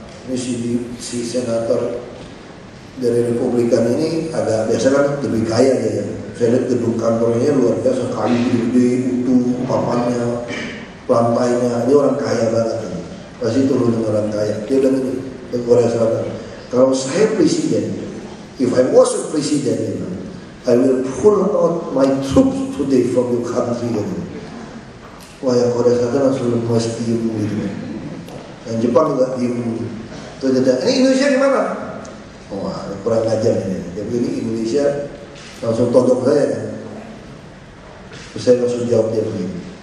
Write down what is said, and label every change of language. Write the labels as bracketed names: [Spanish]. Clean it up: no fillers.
[Indonesian] Ini si senator dari Republikan ini agak, biasa kan lebih kaya dia ya. Saya lihat gedung kantornya luar biasa, kayu gede, utuh, papannya, lantainya. Ini orang kaya banget kan. Pasti turun dengan orang kaya. Dia bilang ini, ke Korea Selatan. Kalau saya presiden, [English] if I was a president, you know, I will pull out my troops today from your country. [Indonesian] Gitu. Wah, yang Korea Selatan langsung lemas diem gitu. Yang Jepang juga diem. Terus dia tanya, ini Indonesia gimana? Wah, kurang ajar ini. Jadi ini Indonesia langsung todok saya. Kan? Terus saya langsung jawab dia begini.